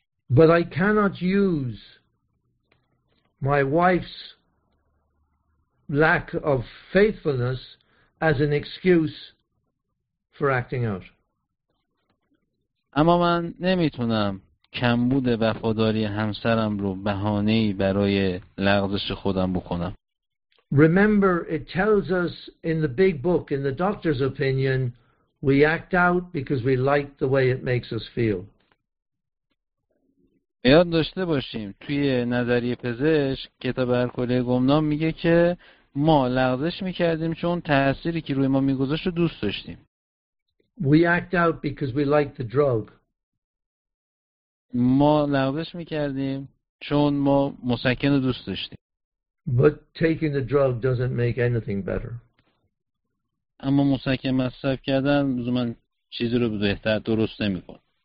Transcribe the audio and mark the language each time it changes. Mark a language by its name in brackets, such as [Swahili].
[English] But I cannot use my wife's lack of faithfulness as an excuse for acting out. [Persian] اما من نمیتونم کمبود وفاداری همسرم رو بهانه‌ای برای لغزش خودم بکنم. [English] Remember, it tells us in the big book, in the doctor's opinion, we act out because we like the way it makes us feel. [Persian] یاد داشته باشیم توی نظریه پزشک کتاب الکل گمنام میگه که ما لغزش میکردیم چون تأثیری که روی ما میگذاشت رو دوست داشتیم. [English] We act out because we like the drug. [Persian] ما لغزش میکردیم چون ما مسکن رو دوست داشتیم. [English] But taking the drug doesn't make anything better. [Persian] اما مسکن مصرف کردن لزوما چیزی رو بهتر درست نمیکنه.